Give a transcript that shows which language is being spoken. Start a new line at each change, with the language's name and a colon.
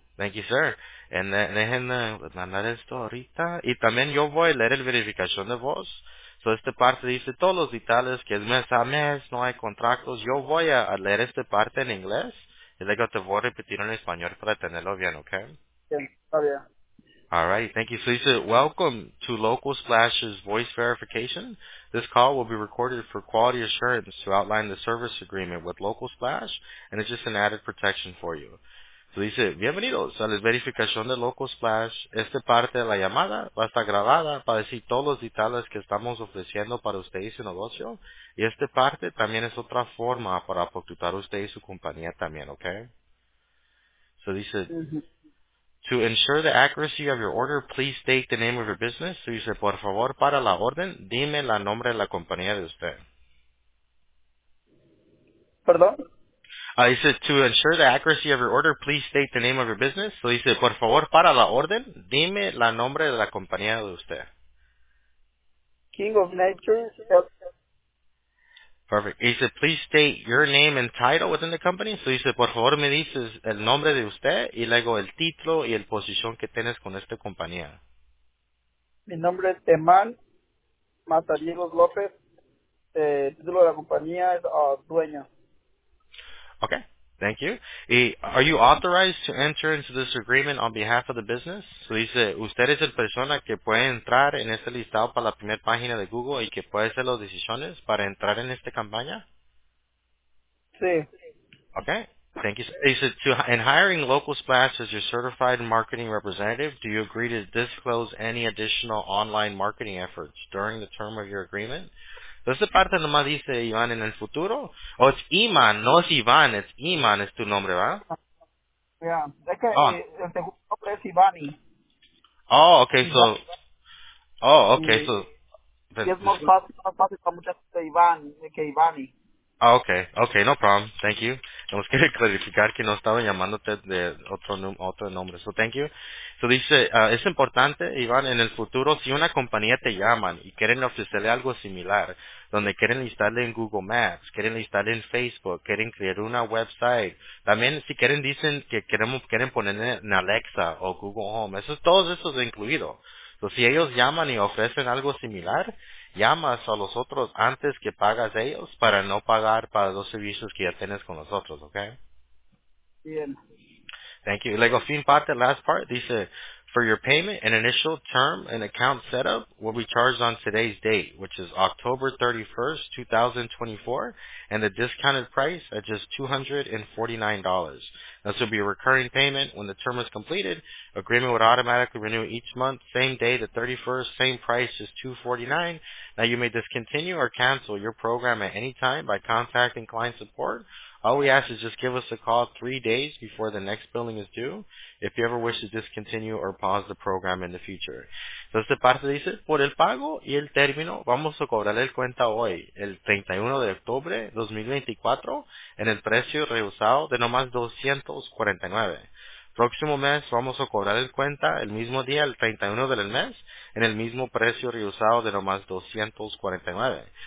English: Thank you, sir.
Spanish: Déjenme mandar esto ahorita. Y también yo voy a leer la verificación de voz. So, esta parte dice todos los detalles, que es mes a mes, no hay contratos. Yo voy a leer esta parte en inglés y luego te voy a repetir en español para tenerlo bien, ¿ok? Bien, está bien.
English: All right, thank you. So you said, welcome to Local/'s voice verification. This call will be recorded for quality assurance to outline the service agreement with Local/, and it's just an added protection for you. So you said,
Spanish: bienvenidos a la verificación de Local/. Esta parte de la llamada va a estar grabada para decir todos los detalles que estamos ofreciendo para usted y su negocio. Y esta parte también es otra forma para aportar usted y su compañía también, okay?
English: So you said, to ensure the accuracy of your order, please state the name of your business. So you said,
Spanish: por favor, para la orden, dime la nombre de la compañía de usted. Perdón?
English: He said, to ensure the accuracy of your order, please state the name of your business. So he said,
Spanish: por favor, para la orden, dime la nombre de la compañía de usted.
English: King of Nature. Perfect. He said, please state your name and title within the company. So he said,
Spanish: por favor, me dices el nombre de usted y luego el título y el posición que tienes con esta compañía. Mi nombre es Eman Matariegos López. El título de la compañía es dueño.
English: Okay, thank you. Are you authorized to enter into this agreement on behalf of the business?
Spanish: So he said, usted es el persona que puede entrar en este listado para la primera página de Google y que puede hacer las decisiones para entrar en esta campaña? Sí.
English: Okay, thank you. He said, in hiring Local/ as your certified marketing representative, do you agree to disclose any additional online marketing efforts during the term of your agreement?
Spanish: Entonces, parte nomás dice Iván en el futuro. O es Iman, no es Iván, es Iman, es tu nombre, ¿verdad? Yeah. Es que oh. El segundo nombre es Ivani.
English: Oh, okay, so. Oh, okay, so.
Spanish: Es más fácil para muchas veces Iván que Ivani.
English: Ah, okay, no problem, thank you.
Spanish: Nos quiere clarificar que no estaba llamándote de otro nombre, so thank you. So dice, es importante, Iván, en el futuro, si una compañía te llaman y quieren ofrecerle algo similar, donde quieren listarle en Google Maps, quieren listarle en Facebook, quieren crear una website, también si quieren dicen que quieren ponerle en Alexa o Google Home, eso es todo eso incluido. So si ellos llaman y ofrecen algo similar, llamas a los otros antes que pagas a ellos para no pagar para los servicios que ya tienes con nosotros, ¿ok? Bien.
English: Thank you.
Spanish: Luego, fin parte,
English: last part, dice, for your payment, an initial term and account setup will be charged on today's date, which is October 31st, 2024, and the discounted price at just $249. This will be a recurring payment. When the term is completed, agreement would automatically renew each month, same day, the 31st, same price, just $249. Now, you may discontinue or cancel your program at any time by contacting client support. All we ask is just give us a call 3 days before the next billing is due if you ever wish to discontinue or pause the program in the future.
Spanish: Entonces, de parte dice, por el pago y el término, vamos a cobrarle el cuenta hoy, el 31 de octubre 2024, en el precio rehusado de nomás $249. Próximo mes, vamos a cobrar el cuenta el mismo día, el 31 del mes, en el mismo precio rehusado de nomás $249.